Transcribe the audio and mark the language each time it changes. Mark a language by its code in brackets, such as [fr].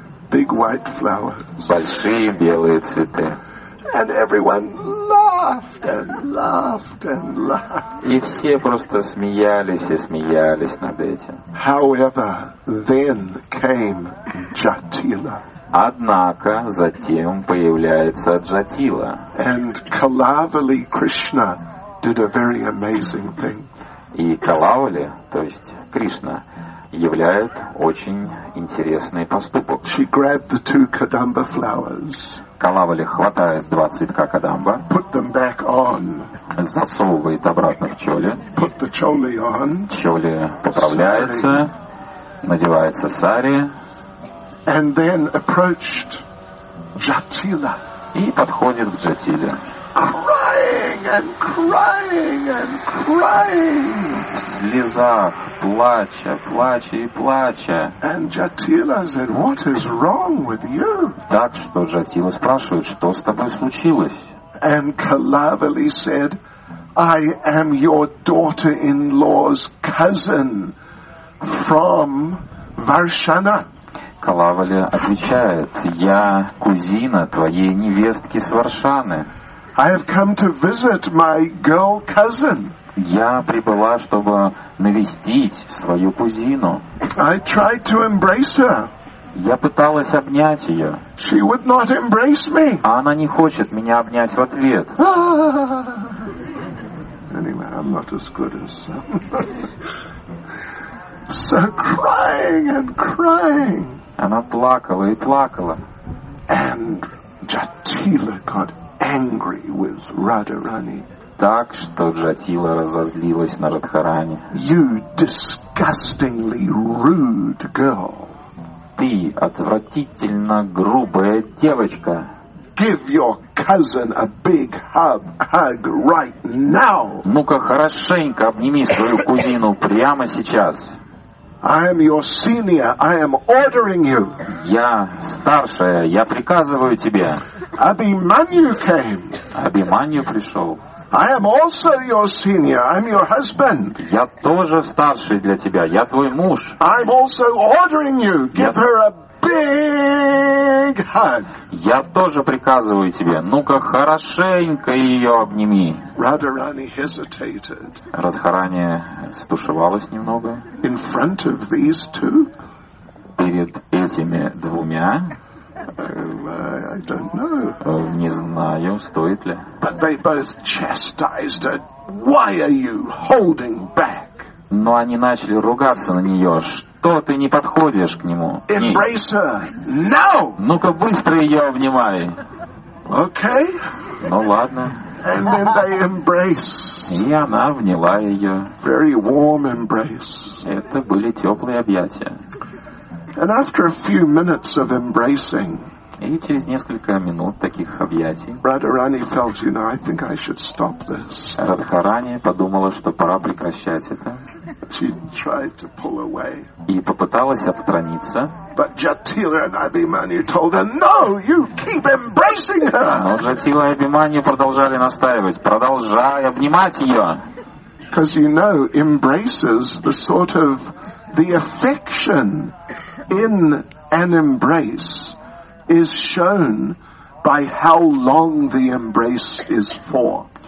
[en] Big white flowers. [ru] Большие белые цветы. [en] And everyone laughed and laughed and laughed. [ru] И все просто смеялись и смеялись над этим. [en] However, then came Jatila. [ru] Однако затем появляется Джатила. [en] And Kalavali Krishna did a very amazing thing. [ru] И Калавали, то есть Кришна, являет очень интересный поступок. [en] She grabbed the two Kadamba flowers. [ru] Калавали хватает два цветка кадамба. [en] Put them back on. [ru] Засовывает обратно в чоли. [en] Put the choli on. [ru] Чоли поправляется, надевается сари. [en] And then approached Jatila. [ru] И подходит к Джатиле. [en] Crying and crying and crying. [ru] В слезах, плача, плача и плача. [en] And Jatila said, "What is wrong with you?" [ru] Так что Джатила спрашивает, что с тобой случилось? [en] And Kalavali said, "I am your daughter-in-law's cousin from Varshana." [ru] Калавали отвечает, я кузина твоей невестки с Варшаны. [en] I have come to visit my girl cousin. [ru] Я прибыла, чтобы навестить свою кузину. [en] I tried to embrace her. [ru] Я пыталась обнять ее. [en] She would not embrace me. [ru] А она не хочет меня обнять в ответ. [en] Anyway, I'm not as good as some. So crying and crying. [ru] Она плакала и плакала. [en] And Jatila got angry with Radharani. [ru] Так что Джатила разозлилась на Радхарани. [en] You disgustingly rude girl. [ru] Ты отвратительно грубая девочка. [en] Give your cousin a big hug right now. [ru] Ну-ка хорошенько обними свою кузину прямо сейчас. [en] I am your senior. I am ordering you. [ru] Я старшая. Я приказываю тебе. [en] Abhimanyu came. [ru] Abhimanyu пришел. [en] I am also your senior. I'm your husband. [ru] Я тоже старший для тебя. Я твой муж. [en] I'm also ordering you. Give her a big hug. [ru] Я тоже приказываю тебе. Ну-ка хорошенько ее обними. [en] Radharani hesitated. [ru] Радхарани стушевалась немного. [en] In front of these two? [ru] Перед этими двумя. [en] I don't know. [ru] Не знаю, стоит ли. [en] But they both chastised her. Why are you holding back? [ru] Но они начали ругаться на нее. Что ты не подходишь к нему? [en] Embrace her now! [ru] Ну-ка быстро ее обнимай. [en] Okay. [ru] Ну ладно. [en] And then they embrace. [ru] И она обняла ее. [en] Very warm embrace. [ru] Это были теплые объятия. [en] And after a few minutes of embracing. [ru] И через несколько минут таких объятий [en] Радхарани felt, you know, I think I should stop this. [ru] Радхарани подумала, что пора прекращать это. [en] She tried to pull away. [ru] И попыталась отстраниться. [en] But Jatila and Abhimanyu told her, no, you keep embracing her. [ru] Но Jatila и Abhimanyu продолжали настаивать, продолжай обнимать ее. [en] Because you know, embraces the sort of the affection in an embrace is shown by how long the embrace is for.